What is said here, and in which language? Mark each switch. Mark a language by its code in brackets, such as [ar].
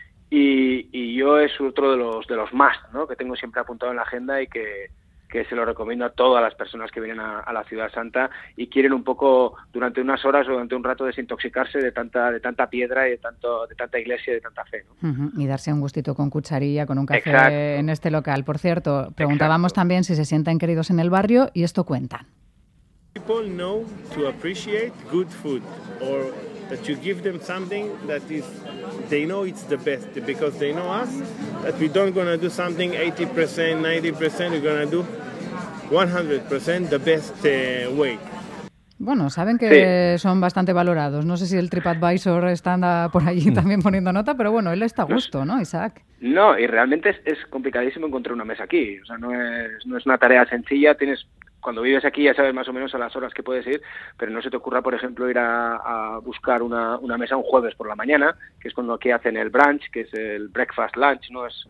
[es] Y yo es otro de los más, ¿no?, que tengo siempre apuntado en la agenda y que se lo recomiendo a todas las personas que vienen a la Ciudad Santa y quieren un poco durante unas horas o durante un rato desintoxicarse de tanta piedra y de tanta iglesia y de tanta fe, ¿no? Uh-huh. Y darse un gustito con cucharilla, con un café. Exacto. En este local. Por cierto, preguntábamos Exacto. también si se sienten queridos en el barrio y esto cuentan. [en] People know to appreciate good food or that you give them something that is, they know it's the best, because they know us, that we don't gonna do something 80%, 90%, we're gonna do 100% the best way. [es] Bueno, saben que sí. son bastante valorados. No sé si el TripAdvisor está por allí también poniendo nota, pero bueno, él está a gusto, ¿no, Isaac? No, y realmente es complicadísimo encontrar una mesa aquí. O sea, no es una tarea sencilla, tienes... Cuando vives aquí ya sabes más o menos a las horas que puedes ir, pero no se te ocurra, por ejemplo, ir a buscar una mesa un jueves por la mañana, que es cuando aquí hacen el brunch, que es el breakfast lunch, ¿no?